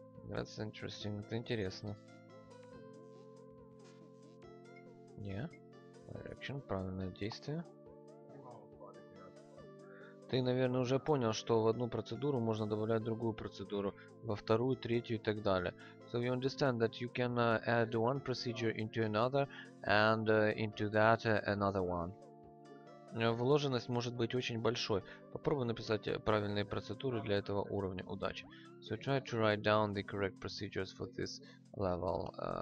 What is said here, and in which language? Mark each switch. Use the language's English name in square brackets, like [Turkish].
[English] That's interesting. [Russian] Это интересно. Не. Reaction, правильное действие. Ты, наверное, уже понял, что в одну процедуру можно добавлять другую процедуру, во вторую, третью и так далее. [English] So you understand that you can add one procedure into another and into that another one. [Russian] Вложенность может быть очень большой. Попробуй написать правильные процедуры для этого уровня. Удачи. [English] So try to write down the correct procedures for this level.